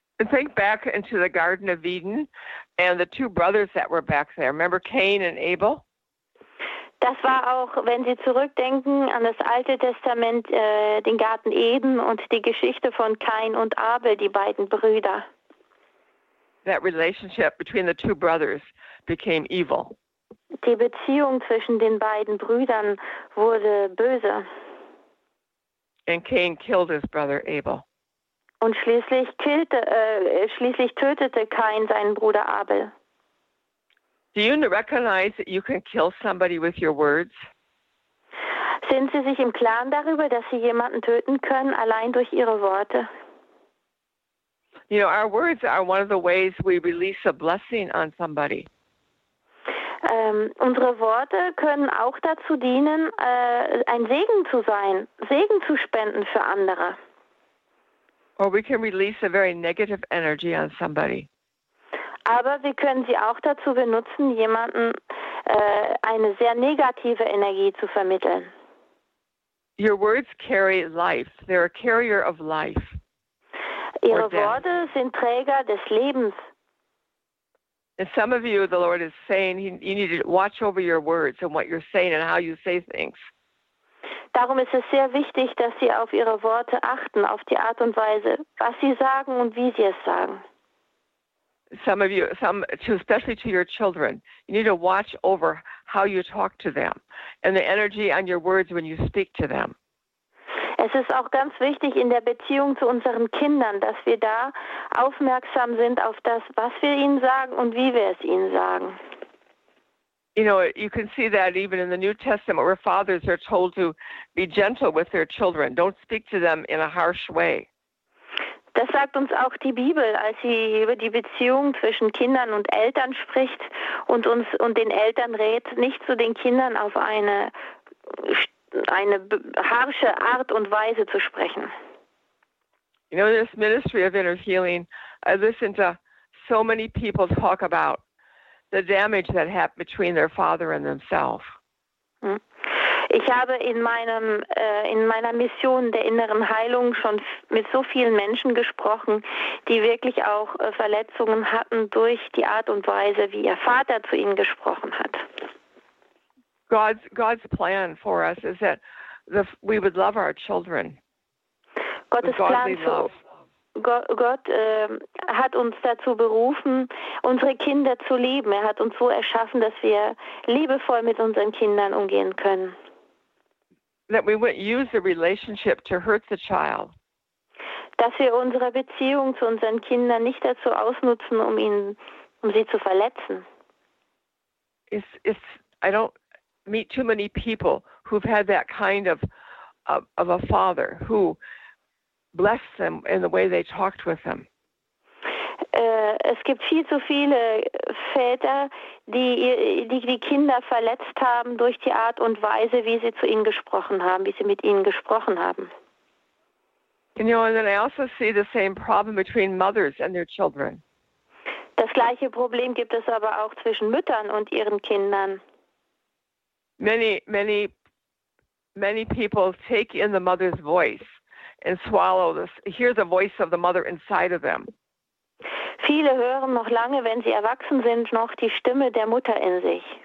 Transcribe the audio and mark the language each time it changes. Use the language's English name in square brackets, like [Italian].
[English] Think back into the Garden of Eden and the two brothers that were back there. Remember Cain and Abel? [German] Das war auch, wenn Sie zurückdenken an das Alte Testament, den Garten Eden und die Geschichte von Cain und Abel, die beiden Brüder. [English] That relationship between the two brothers became evil. [German] Die Beziehung zwischen den beiden Brüdern wurde böse. [English] And Cain killed his brother Abel. [German] Und schließlich tötete Cain seinen Bruder Abel. [English] Do you recognize that you can kill somebody with your words? [German] Sind Sie sich im Klaren darüber, dass Sie jemanden töten können allein durch Ihre Worte? [English] You know, our words are one of the ways we release a blessing on somebody. [German] Unsere Worte können auch dazu dienen, ein Segen zu sein, Segen zu spenden für andere. [English] Or we can release a very negative energy on somebody. [German] Aber wir können sie auch dazu benutzen, jemanden eine sehr negative Energie zu vermitteln. [English] Your words carry life. They're a carrier of life. [German] Ihre Worte sind Träger des Lebens. [English] And some of you, the Lord is saying, you need to watch over your words and what you're saying and how you say things. [German] Darum ist es sehr wichtig, dass Sie auf Ihre Worte achten, auf die Art und Weise, was Sie sagen und wie Sie es sagen. [English] Some of you, especially to your children, you need to watch over how you talk to them and the energy on your words when you speak to them. [German] Es ist auch ganz wichtig in der Beziehung zu unseren Kindern, dass wir da aufmerksam sind auf das, was wir ihnen sagen und wie wir es ihnen sagen. [English] You know, you can see that even in the New Testament where fathers are told to be gentle with their children. Don't speak to them in a harsh way. [German] Das sagt uns auch die Bibel, als sie über die Beziehung zwischen Kindern und Eltern spricht und uns und den Eltern rät, nicht zu den Kindern auf eine harsche Art und Weise zu sprechen. [English] You know, this ministry of inner healing, I listen to so many people talk about the damage that happened between their father and themselves. [German] Ich habe in meiner Mission der inneren Heilung schon mit so vielen Menschen gesprochen, die wirklich auch Verletzungen hatten durch die Art und Weise, wie ihr Vater zu ihnen gesprochen hat. [English] God's plan for us is that we would love our children. [German] Gottes Plan so. Gott hat uns dazu berufen, unsere Kinder zu lieben. Er hat uns so erschaffen, dass wir liebevoll mit unseren Kindern umgehen können. [English] That we wouldn't use the relationship to hurt the child. [German] Dass wir unsere Beziehung zu unseren Kindern nicht dazu ausnutzen, um sie zu verletzen. [English] I don't meet too many people who've had that kind of a father who bless them in the way they talked with them. [German] Es gibt viel zu viele Väter, die Kinder verletzt haben durch die Art und Weise, wie sie zu ihnen gesprochen haben, wie sie mit ihnen gesprochen haben. [English] You know, and then I also see the same problem between mothers and their children. [German] Das gleiche Problem gibt es aber auch zwischen Müttern und ihren Kindern. [English] Many, many, many people take in the mother's voice. And swallow this, hear the voice of the mother inside of them. [German] Viele hören noch lange, wenn sie erwachsen sind, noch die Stimme der Mutter in sich.